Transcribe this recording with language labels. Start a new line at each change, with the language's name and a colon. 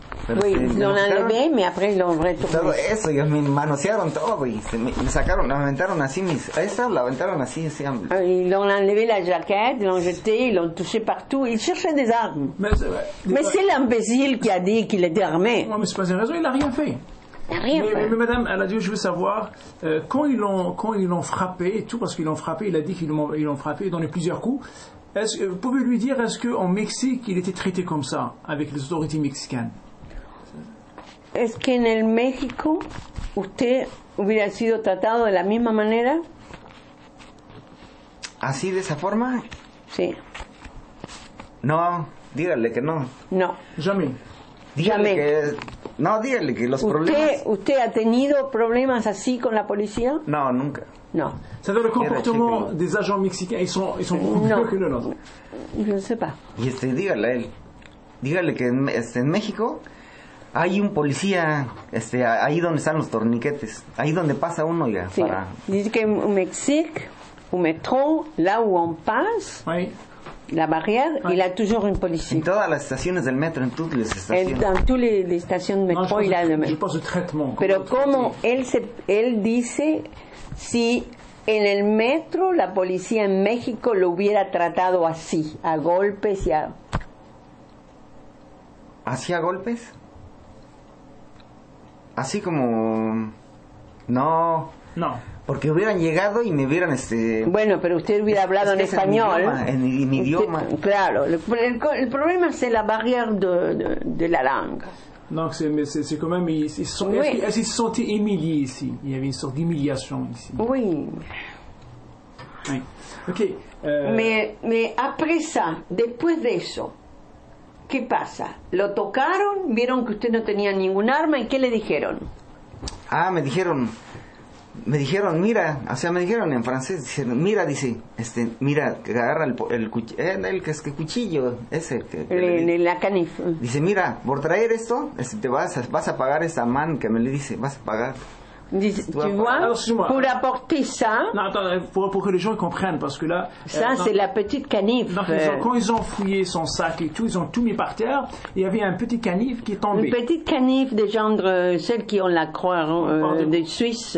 Spanish: Pero oui, lo enlevé, me après lo retorné. Todo eso, y me manosearon todo, y me sacaron, la aventaron así, mis. Esta la aventaron así, así.
French: Y lo enlevé la jaqueta, lo jeté, lo touché partout, y cherché des armes. Mais c'est l'imbécile qui a dit qu'il était armé. Non, mais c'est pas une raison, il a rien fait. Mais madame, elle a dit, je veux savoir, quand ils l'ont frappé, et tout, parce qu'ils l'ont frappé, il a dit qu'ils l'ont frappé, ils ont donné plusieurs coups. Est-ce que vous pouvez lui dire, est-ce qu'en Mexique, il était traité comme ça, avec les autorités mexicaines? Est-ce qu'en Mexique,
Spanish: usted hubiera sido tratado de la misma manera? Así, de esa forma? Sí. No, dígale que no. No.
French: Jamais.
Spanish: Dígale que... No, dígale que los problemas... ¿Usted ha tenido problemas así con la policía? No, nunca. No.
French: C'est-à-dire le comportement des agents mexicains, ils sont beaucoup plus que le nôtre. Je ne sais pas.
Spanish: Y dígale a él. Dígale que en México hay un policía ahí donde están los torniquetes. Ahí donde pasa uno ya. Sí. Para... Dice que en México,
French: au métro, là où on passe, oui. La barrière, oui. Il a toujours un policía.
Spanish: En todas las estaciones del metro, en todas las estaciones. En todas las estaciones de métro,
French: il a le même. Je pense au traitement.
Spanish: Pero como él dice... Si en el metro la policía en México lo hubiera tratado así, a golpes y a... ¿Así a golpes? Así como... No. No. Porque hubieran llegado y me hubieran Bueno, pero usted hubiera hablado en español. En mi idioma. Claro. El problema es la
French: barrière de la langue. Donc c'est quand même ils se sont humiliés ici. Il y avait une sorte d'humiliation ici. Oui. Oui. OK. Mais après ça,
Spanish: después de eso, ¿qué pasa? Lo tocaron, vieron que usted no tenía ningún arma y ¿qué le dijeron? Ah, me dijeron, mira, o sea, me dijeron en francés, dijeron, mira, dice, mira, que agarra el cuchillo, ese. La canif. Dice, mira, por traer esto, te vas a pagar esta man que me le dice, vas a pagar.
French: Tu vois, alors, pour apporter ça. Non, attends, pour que les gens comprennent, parce que là. Ça, c'est la petite canif. Donc, quand ils ont fouillé son sac et tout, ils ont tout mis par terre, il y avait un petit canif qui est tombé. Une petite canif de gendre, celle qui ont la croix de Suisse.